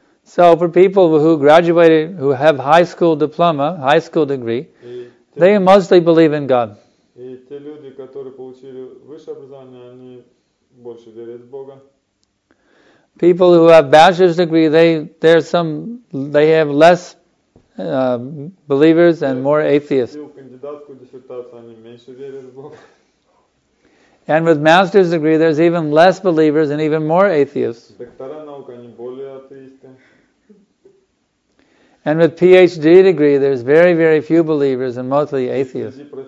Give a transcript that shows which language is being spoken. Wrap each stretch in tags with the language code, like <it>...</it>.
<en>So for people who graduated, who have high school diploma, high school degree, they mostly believe in God.</en> <ru>И те люди, которые получили высшее образование, они больше верят в Бога.</ru> <en>People who have bachelor's degree, they have less believers and more atheists.</en> <ru>И у кандидатскую диссертацию они меньше верят в Бога.</ru> <en>And with master's degree, there's even less believers and even more atheists.</en> <ru>Доктора наук, они более атеисты.</ru> <en>And with PhD degree, there's very, very few believers and mostly atheists.</en>